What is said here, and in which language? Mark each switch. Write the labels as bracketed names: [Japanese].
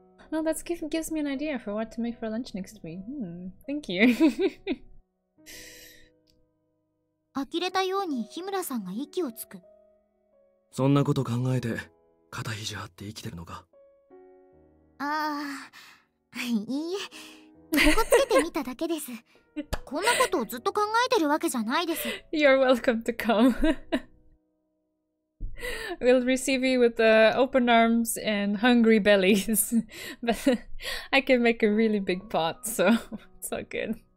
[English] Well, that gives me an idea for what to make for lunch next week. Thank you. [Japanese] 呆れたように日村さんが息をつく。そんなこと考えて肩肘張って生きてるのか。ああ、いいえ、ここつけてみただけです。こんなことをずっと考えてるわけじゃないです。 [English] You're welcome to come. We'll receive you with open arms and hungry bellies. But I can make a really big pot, so it's all good.